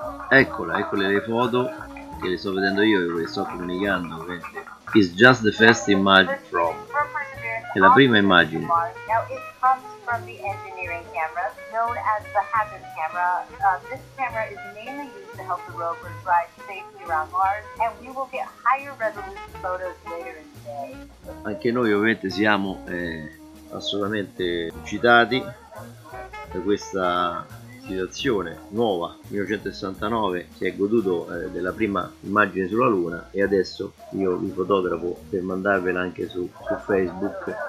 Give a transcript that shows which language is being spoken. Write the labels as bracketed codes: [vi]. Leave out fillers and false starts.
[it] Eccole le foto che le sto vedendo io e le sto comunicando. [en] It's just the first image from. [it] È la prima immagine. [en] Now it comes from the engineering camera, known as the Hazard camera. This camera is mainly used to help the rover drive safely around Mars, and we will get higher resolution photos later in the day. [it] Anche noi ovviamente siamo assolutamente eccitati da questa situazione nuova, 1969, si è goduto della prima immagine sulla Luna, e adesso io vi fotografo per mandarvela anche su Facebook.